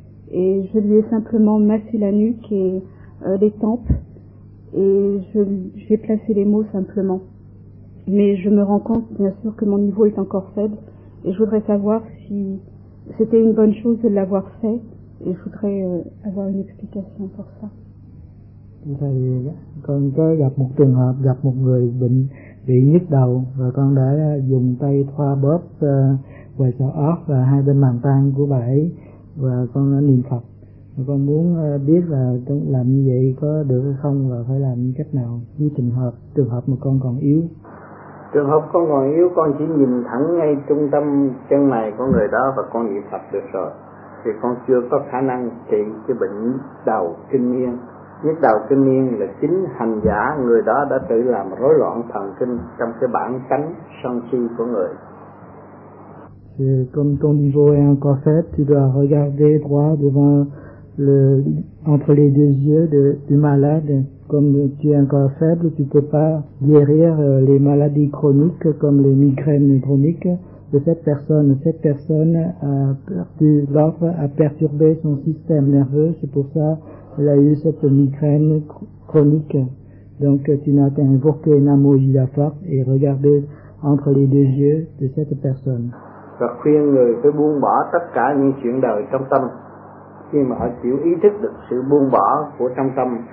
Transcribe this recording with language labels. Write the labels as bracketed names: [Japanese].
[French] Et je lui ai simplement massé la nuque et les tempes et j'ai placé les mots simplement. Mais je me rends compte, bien sûr, que mon niveau est encore faible et je voudrais savoir si c'était une bonne chose de l'avoir fait et je voudrais avoir une explication pour ça. [Vietnamese] Thầy, con có gặp một trường hợp, gặp một người bị nhức đầu và con đã dùng tay thoa bóp vài sợi óc và hai bên màng tang của bà ấy và con đã niệm Phật. Con muốn biết là làm như vậy có được hay không và phải làm như cách nào với trường hợp mà con còn yếu. Trường hợp con còn yếu, con chỉ nhìn thẳng ngay trung tâm chân mày của người đó và con niệm Phật được rồi. Thì con chưa có khả năng trị cái bệnh nhức đầu kinh niên. Nhức đầu kinh niên là chính hành giả người đó đã tự làm rối loạn thần kinh trong cái bản tánh sân si của người. [French] Comme ton niveau est encore faible, tu dois regarder droit devant entre les deux yeux du malade. Comme tu es encore faible, tu ne peux pas guérir les maladies chroniques comme les migraines chroniques de cette personne. Cette personne a perdu l'offre, a perturbé son système nerveux, c'est pour ça qu'elle a eu cette migraine chronique. Donc tu n'as qu'à invoquer Namo Jidafa et regarder entre les deux yeux de cette personne. [Vietnamese] Je khuyên người phải buông bỏ tất cả những chuyện đời trong tâm. Khi mà họ chịu ý thức được sự buông bỏ của trong tâm,